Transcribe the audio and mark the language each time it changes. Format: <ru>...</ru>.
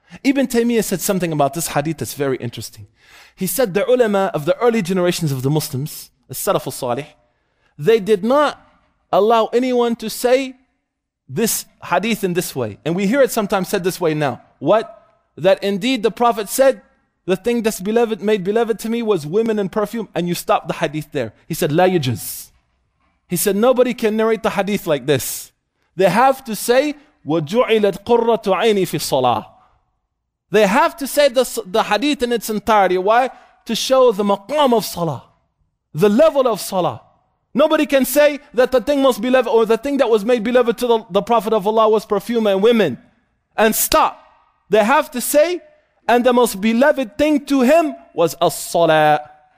<en>Ibn Taymiyyah said something about this hadith that's very interesting. He said the ulama of the early generations of the Muslims, the Salaf al-Salih, they did not allow anyone to say this hadith in this way. And we hear it sometimes said this way now. What? That indeed the Prophet said, the thing that's beloved, made beloved to me was women and perfume, and you stop the hadith there. He said, la yujuz. He said, nobody can narrate the hadith like this. They have to say,</en> <ar>وَجُعِلَتْ قُرَّةُ عَيْنِي فِي الصَّلَاةِ.</ar> <en>They have to say the hadith in its entirety. Why? To show the maqam of salah, the level of salah. Nobody can say that the thing most beloved, or the thing that was made beloved to the Prophet of Allah, was perfume and women, and stop. They have to say, and the most beloved thing to him was as-salah.</en>